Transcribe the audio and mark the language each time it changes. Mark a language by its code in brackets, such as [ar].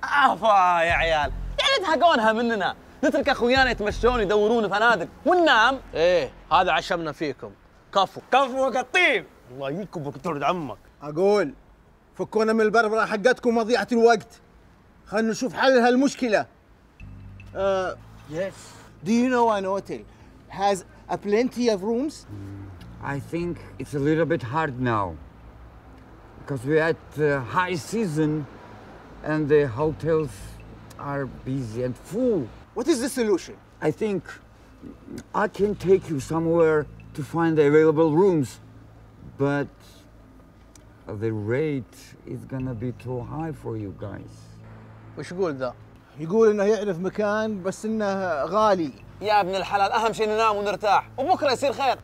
[ar] أفا يا عيال، يعني تهقونها مننا نترك أخويانا يتمشون يدورون فنادق وننام؟ إيه هذا عشمنا فيكم. كفو كفو قطيب. الله يكبر دكتور عمك. أقول فكونا من البربرة حقتكم مضيعة الوقت، خلنا نشوف حل هالمشكلة. [en] Yes. Do you know an hotel has a plenty of rooms? I think it's a little bit hard now. Because we're at high season and the hotels are busy and full. What is the solution? I think I can take you somewhere to find the available rooms, but the rate is gonna be too high for you guys. [ar] وش يقول ذا؟ يقول انه يعرف مكان بس انه غالي. يا ابن الحلال اهم شيء ننام ونرتاح وبكره يصير خير.